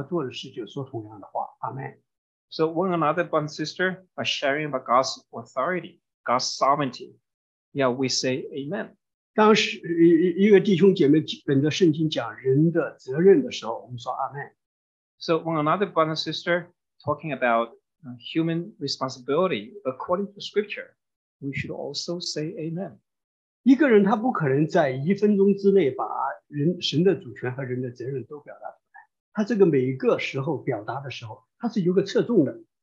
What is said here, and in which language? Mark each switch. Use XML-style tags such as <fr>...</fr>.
<zh>所以当人在本于圣经讲神的主权的时候，你要做的事就说同样的话， Amen.</zh> <en>So when another brother and sister are sharing about God's authority, God's sovereignty, yeah, we say Amen.</en> <zh>当一个弟兄姐妹本着圣经讲人的责任的时候，我们说 Amen.</zh> <en>So when another brother and sister talking about human responsibility according to Scripture, we should also say Amen.</en> <zh>一个人他不可能在一分钟之内把神的主权和人的责任都表达出来，他这个每一个时候表达的时候，他是有个侧重的。</zh>